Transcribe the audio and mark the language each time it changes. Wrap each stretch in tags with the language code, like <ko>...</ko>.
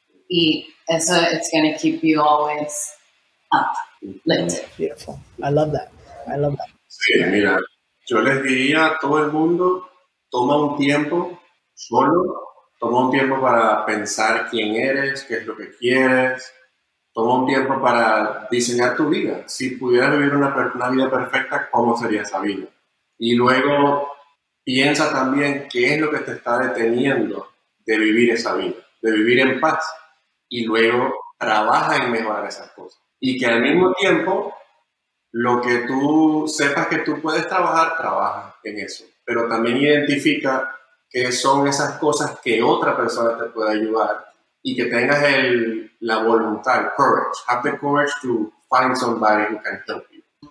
<es>Y eso es</es> <en>going to keep you always up, lit. Beautiful. I love that.</en> <es>Sí, mira, yo les diría a todo el mundo, toma un tiempo solo, toma un tiempo para pensar quién eres, qué es lo que quieres. Toma un tiempo para diseñar tu vida. Si pudieras vivir una vida perfecta, ¿cómo sería esa vida? Y luego piensa también qué es lo que te está deteniendo de vivir esa vida, de vivir en paz. Y luego trabaja en mejorar esas cosas. Y que al mismo tiempo, lo que tú sepas que tú puedes trabajar, trabaja en eso. Pero también identifica qué son esas cosas que otra persona te puede ayudar y que tengas la voluntad,</es> <en>courage. Have the courage to find somebody who can help you.</en>